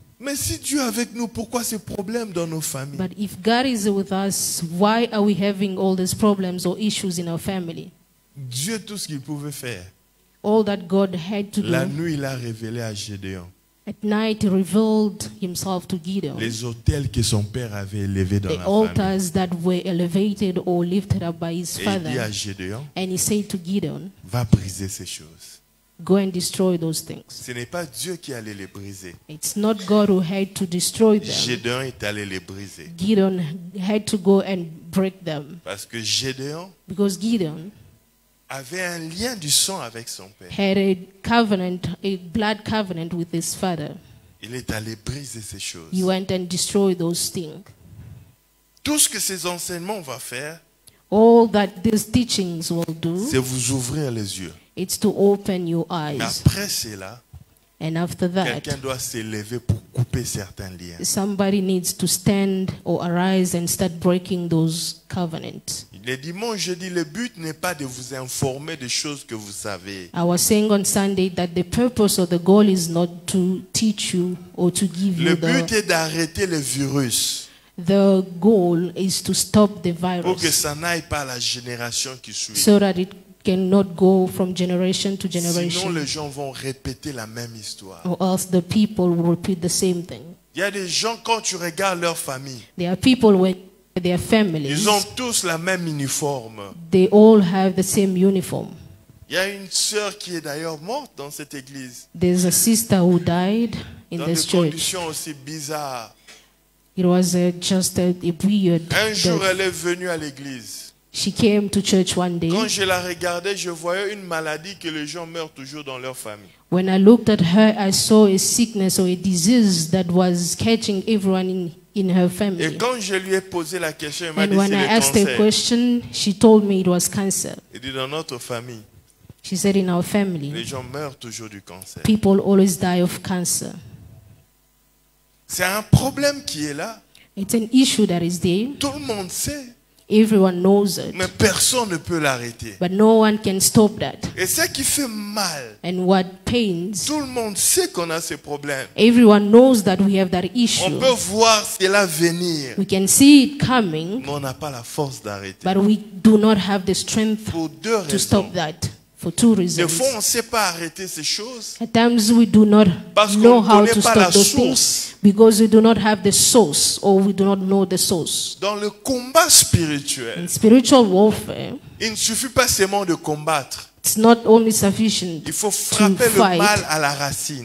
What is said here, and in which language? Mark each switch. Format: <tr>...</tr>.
<fr>Mais si Dieu est avec nous, pourquoi ces problèmes dans nos familles?</fr> <en>But if God is with us, why are we having all these problems or issues in our family?</en> <fr>Dieu tout ce qu'il pouvait faire.</fr> <en>All that God had to do.</en> <fr>La nuit, il a révélé à Gédéon.</fr> <en>At night, he revealed himself to Gideon.</en> <fr>Les autels que son père avait élevés dans</fr> <en>the</en> <fr>la famille.</fr> <en>The altars that were elevated or lifted up by his</en> <fr>Et</fr> <en>father.</en> <fr>Et dit à Gédéon.</fr> <en>And he said to Gideon.</en> <fr>Va briser ces choses.</fr> <en>Go and destroy those things.</en> <fr>Ce n'est pas Dieu qui allait les briser.</fr> <en>It's not God who had to destroy them.</en> <fr>Gédéon est allé les briser.</fr> <en>Gideon had to go and break them.</en> <fr>Parce que Gédéon.</fr> <en>Because Gideon.</en> <fr>Avait un lien du sang avec son père.</fr> <en>Had a covenant, a blood covenant with his father.</en> <fr>Il est allé briser ces choses.</fr> <en>He went and destroyed those things.</en> <fr>Tout ce que ces enseignements vont faire.</fr> <en>All that these teachings will do.</en> <fr>C'est vous ouvrir les yeux.</fr> <en>It's to open your eyes.</en> <fr>Mais après cela,</fr> <en>and after that,</en> <fr>quelqu'un doit s'élever pour couper certains liens.</fr> <en>Somebody needs to stand or arise and start breaking those covenants.</en> <fr>Les dimanches, je dis, le but n'est pas de vous informer des choses que vous savez.</fr> <en>I was saying on Sunday that the purpose or the goal is not to teach you or to give</en> <fr>le</fr> <en>you the.</en> <fr>Le but est d'arrêter le virus.</fr> <en>The goal is to stop the virus.</en> <fr>Pour que ça n'aille pas à la génération qui suit.</fr> <en>So that it cannot go from generation to generation.</en> <fr>Sinon, les gens vont répéter la même histoire.</fr> <en>Or else the people will repeat the same thing.</en> <fr>Il y a des gens, quand tu regardes leur famille,</fr> <en>there are people when their families,</en> <fr>ils ont tous la même uniforme.</fr> <en>They all have the same uniform.</en> <fr>Il y a une sœur qui est d'ailleurs morte dans cette église.</fr> <en>There's a sister who died in</en> <fr>dans</fr> <en>this church.</en> <fr>Dans des conditions aussi bizarres.</fr> <en>It was just a weird death.</en> <fr>Un jour, elle est venue à l'église.</fr> <en>She came to church one day.</en> <fr>Quand je la regardais, je voyais une maladie que les gens meurent toujours dans leur famille.</fr> <en>When I looked at her, I saw a sickness or a disease that was catching everyone in her family.</en> <fr>Et quand je lui ai posé la question, elle m'a dit c'est le cancer.</fr> <en>And when I asked her a question, she told me it was cancer.</en> <fr>Et dit dans notre famille.</fr> <en>She said in our family.</en> <fr>Les gens meurent toujours du cancer.</fr> <en>People always die of cancer.</en> <fr>C'est un problème qui est là.</fr> <en>It's an issue that is there.</en> <fr>Tout le monde sait.</fr> <en>Everyone knows it.</en> <fr>Mais personne ne peut l'arrêter.</fr> <en>But no one can stop that.</en> <fr>Et ce qui fait mal.</fr> <en>And what pains.</en> <fr>Tout le monde sait qu'on a ce problème.</fr> <en>Everyone knows that we have that issue.</en> <fr>On peut voir cela venir.</fr> <en>We can see it coming.</en> <fr>Mais on n'a pas la force d'arrêter.</fr> <en>But we do not have the strength</en> <fr>pour deux raisons.</fr> <en>To stop that. For two reasons.</en> <fr>Des fois, on ne sait pas arrêter ces choses.</fr> <en>At times we do not know how to stop those things. Because we do not have the source or we do not know the source.</en> <fr>Dans le combat spirituel.</fr> <en>In spiritual warfare.</en> <fr>Il ne suffit pas seulement de combattre.</fr> <en>It's not only sufficient.</en> <fr>Il faut frapper</fr> <en>to fight.</en> <fr>Le mal à la racine.</fr>